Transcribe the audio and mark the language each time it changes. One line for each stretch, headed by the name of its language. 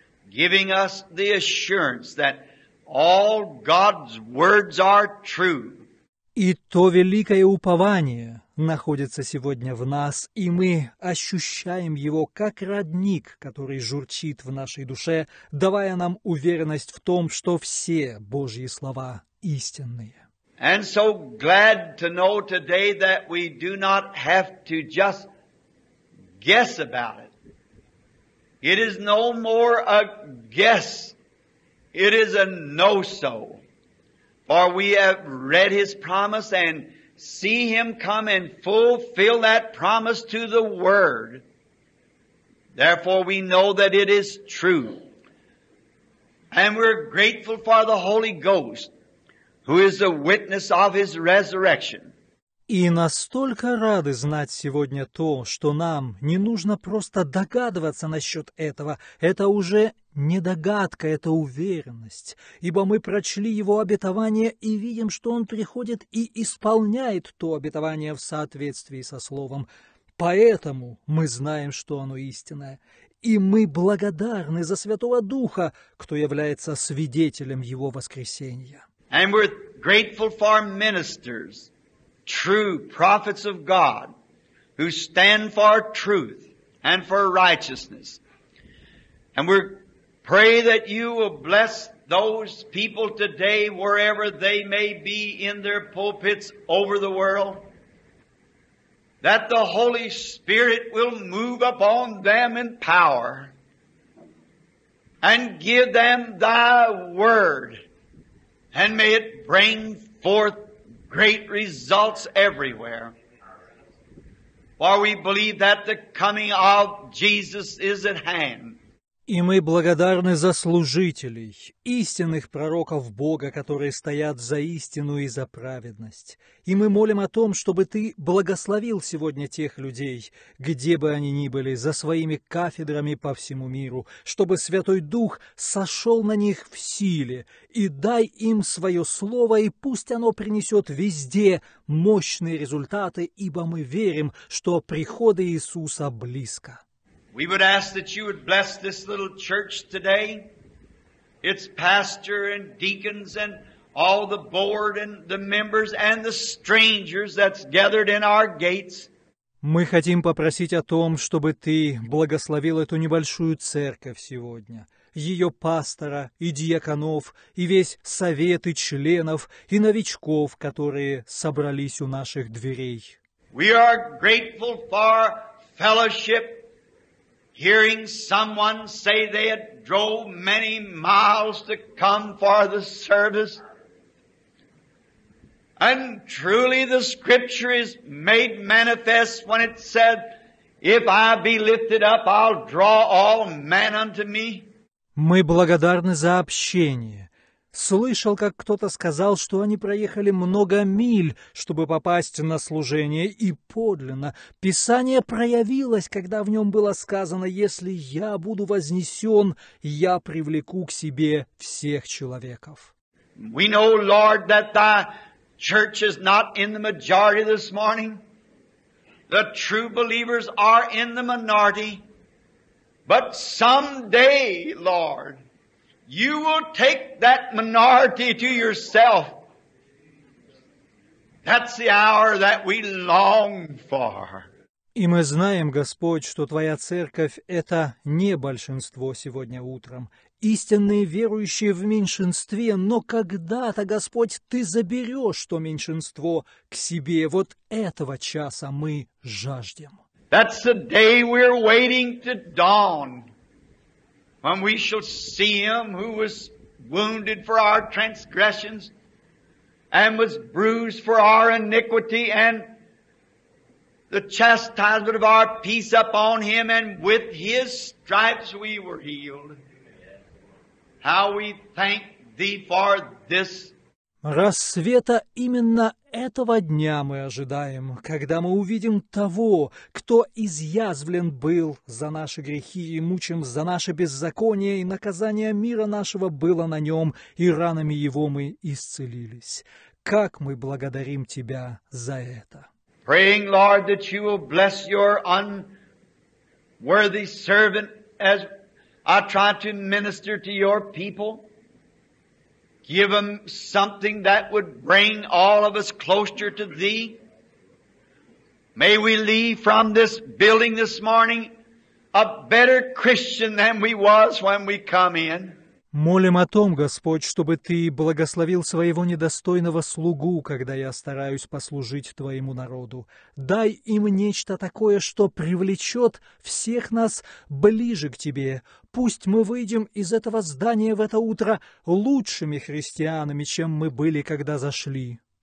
English: Giving us the assurance that all God's words are true.
Russian: И то великое упование находится сегодня в нас, и мы ощущаем его как родник, который журчит в нашей душе, давая нам уверенность в том, что все Божьи слова истинные.
English: And so glad to know today that we do not have to just guess about it. It is no more a guess, it is a know-so. For we have read His promise and see Him come and fulfill that promise to the Word. Therefore we know that it is true. And we're grateful for the Holy Ghost, who is the witness of His resurrection.
Russian: И настолько рады знать сегодня то, что нам не нужно просто догадываться насчет этого. Это уже не догадка, это уверенность. Ибо мы прочли его обетование и видим, что он приходит и исполняет то обетование в соответствии со словом. Поэтому мы знаем, что оно истинное. И мы благодарны за Святого Духа, кто является свидетелем его воскресения.
English: And we're grateful for ministers. True prophets of God, who stand for truth and for righteousness. And we pray that you will bless those people today, wherever they may be in their pulpits over the world, that the Holy Spirit will move upon them in power and give them thy word, and may it bring forth great results everywhere. For we believe that the coming of Jesus is at hand.
Russian: И мы благодарны за служителей, истинных пророков Бога, которые стоят за истину и за праведность. И мы молим о том, чтобы ты благословил сегодня тех людей, где бы они ни были, за своими кафедрами по всему миру, чтобы Святой Дух сошел на них в силе, и дай им свое слово, и пусть оно принесет везде мощные результаты, ибо мы верим, что приход Иисуса близко.
English: We would ask that you would bless this little church today, its pastor and deacons and all the board and the members and the strangers that's gathered in our gates.
Russian: Мы хотим попросить о том, чтобы ты благословил эту небольшую церковь сегодня, ее пастора и диаконов, и весь совет и членов, и новичков, которые собрались у наших дверей.
English: We are grateful for fellowship. Hearing someone say they had drove many miles to come for the service. And truly the scripture is made manifest when it said, if I be lifted up, I'll draw all men unto me.
Russian: Мы благодарны за общение. Слышал, как кто-то сказал, что они проехали много миль, чтобы попасть на служение, и подлинно, Писание проявилось, когда в нем было сказано, «Если я буду вознесен, я привлеку к себе всех человеков».
English: We know, Lord, that thy church is not in the majority this morning. The true believers are in the minority. But someday, Lord, you will take that minority to yourself. That's the hour that we long for.
Russian: И мы знаем, Господь, что Твоя церковь — это не большинство сегодня утром. Истинные верующие в меньшинстве, но когда-то, Господь, Ты заберешь то меньшинство к себе. Вот этого часа мы жаждем.
English: That's the day we're waiting to dawn. When we shall see him who was wounded for our transgressions and was bruised for our iniquity and the chastisement of our peace upon him and with his stripes we were healed. How we thank thee for this.
Russian: Рассвета именно этого дня мы ожидаем, когда мы увидим того, кто изъязвлен был за наши грехи и мучим за наше беззаконие, и наказание мира нашего было на нем, и ранами его мы исцелились. Как мы благодарим Тебя за это!
English: Praying, Lord, that you will bless your unworthy servant as I try to minister to your people. Give them something that would bring all of us closer to Thee. May we leave from this building this morning a better Christian than we was when we come in.
Russian: Молим о том, Господь, чтобы Ты благословил своего недостойного слугу, когда я стараюсь послужить Твоему народу. Дай им нечто такое, что привлечет всех нас ближе к Тебе. Пусть мы выйдем из этого здания в это утро лучшими христианами, чем мы были, когда зашли.